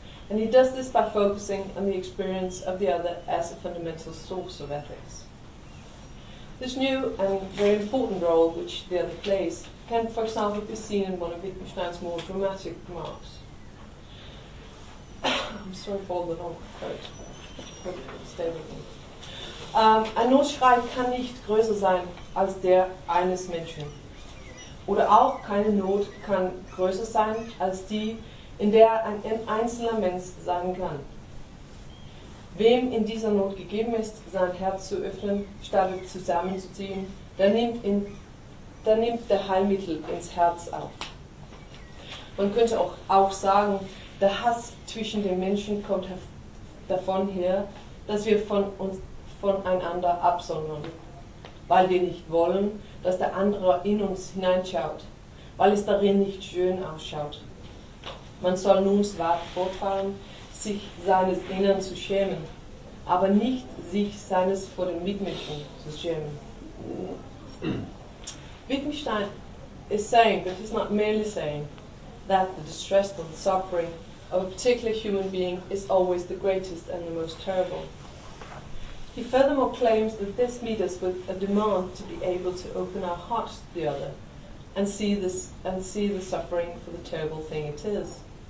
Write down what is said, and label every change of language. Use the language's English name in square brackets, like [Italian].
[English] And he does this by focusing on the experience of the other as a fundamental source of ethics. This new and very important role which the other plays can, for example, be seen in one of Wittgenstein's more dramatic remarks. I'm sorry for all the long quotes, but stay with me. [German] Ein Notschrei kann nicht größer sein als der eines Menschen. Oder auch keine Not kann größer sein als die, in der ein einzelner Mensch sein kann. Wem in dieser Not gegeben ist, sein Herz zu öffnen, statt zusammenzuziehen, der nimmt der Heilmittel ins Herz auf. Man könnte auch sagen, der Hass zwischen den Menschen kommt davon her, dass wir voneinander absondern, weil wir nicht wollen, dass der andere in uns hineinschaut, weil es darin nicht schön ausschaut. Man soll nun zwar fortfahren, sich seines Innern zu schämen, aber nicht sich seines vor den Mitmenschen zu schämen. [English] Wittgenstein is saying, but he's not merely saying, that the distress or the suffering of a particular human being is always the greatest and the most terrible. He furthermore claims that this meets us with a demand to be able to open our hearts to the other and see the suffering for the terrible thing it is.